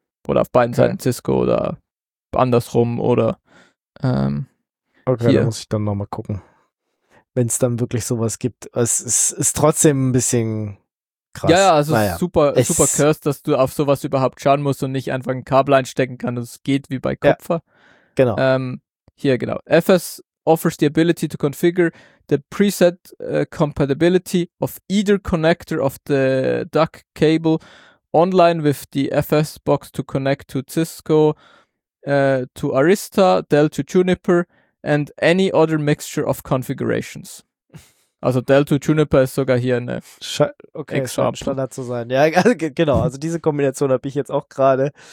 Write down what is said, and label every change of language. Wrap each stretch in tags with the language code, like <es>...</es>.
<de>Oder auf beiden Seiten Cisco oder andersrum oder Da muss ich dann nochmal gucken, wenn es dann wirklich sowas gibt. Es ist trotzdem ein bisschen krass. Ja, also super cursed, dass du auf sowas überhaupt schauen musst und nicht einfach ein Kabel einstecken kannst. Es geht wie bei Kupfer. Ja, genau.</de> <en>FS offers the ability to configure the preset compatibility of either connector of the DAC cable online with the FS box to connect to Cisco, to Arista, Dell to Juniper and any other mixture of configurations.</en> <de>Also Dell to Juniper ist sogar hier eine Standard zu sein. Ja, genau. Also diese Kombination habe ich jetzt auch gerade.</de>